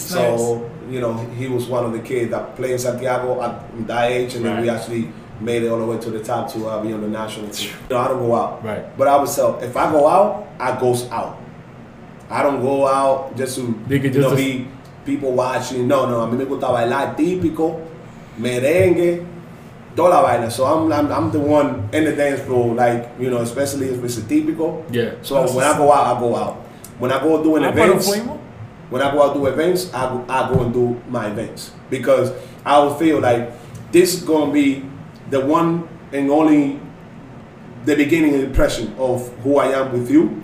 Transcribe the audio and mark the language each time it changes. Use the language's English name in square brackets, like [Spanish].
[English] So, you know, he was one of the kids that played in Santiago at that age. And then we actually made it all the way to the top to be on the national team. You know, I don't go out. Right. But I would tell, if I go out, I goes out. I don't go out just to, be people watching. No. [Spanish] A mí me gusta bailar típico, merengue, toda la vaina. [English] So I'm the one in the dance floor, like, you know, especially if it's a típico. Yeah. So when I go out, I go out. When I go do an event, when I go out do events, I go and do my events. Because I will feel like this is going to be the one and only the beginning impression of who I am with you.